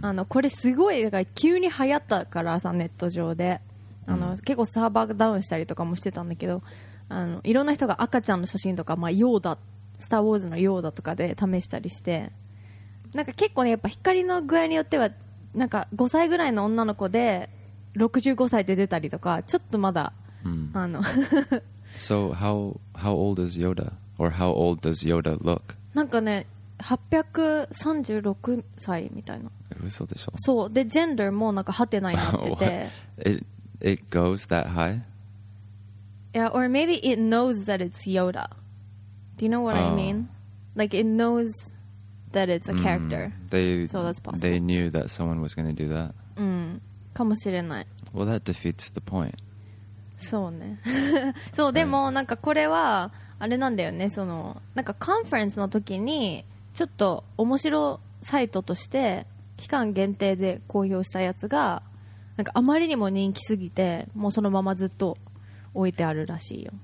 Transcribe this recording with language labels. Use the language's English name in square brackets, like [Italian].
[Japanese] あのこれすごいだから急に流行ったからさ、ネット上で、あの、うん、結構サーバーダウンしたりとかもしてたんだけど、あのいろんな人が赤ちゃんの写真とか、まあ、ヨーダ、スターウォーズのヨーダとかで試したりして、なんか結構ね、やっぱ光の具合によってはなんか5歳ぐらいの女の子で65歳で出たりとか、ちょっとまだ、うん、あの [English] So how old is Yoda? Or how old does Yoda look? [Japanese] なんかね、836歳みたいな。嘘でしょ。そう。で、ジェンダーもなんかハテナになってて。 [English] it goes that high? Yeah, or maybe it knows that it's Yoda. Do you know what、I mean? Like, it knows that it's a character.、So that's possible. They knew that someone was going to do that. [Japanese] うん。かもしれない。 [English] Well, that defeats the point. [Japanese] そうね。そう、でもなんかこれはあれなんだよね、そのなんかカンファレンスの時にちょっと面白サイトとして期間限定で公表したやつが、なんかあまりにも人気すぎてもうそのままずっと置いてあるらしいよ。